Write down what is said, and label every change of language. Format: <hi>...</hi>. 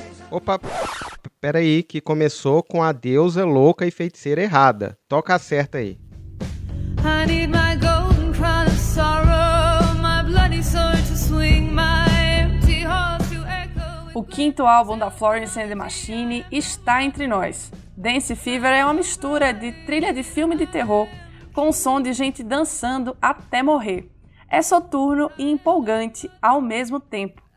<pt>Opa, pera aí, que começou com a deusa louca e feiticeira errada. Toca a certa aí.</pt> <en>I need my golden crown of sorrow, my bloody sword to swing, my empty heart to echo.</en> <pt>O quinto álbum da Florence and the Machine está entre nós. Dance Fever é uma mistura de trilha de filme de terror com o som de gente dançando até morrer. É soturno e empolgante ao mesmo tempo.</pt>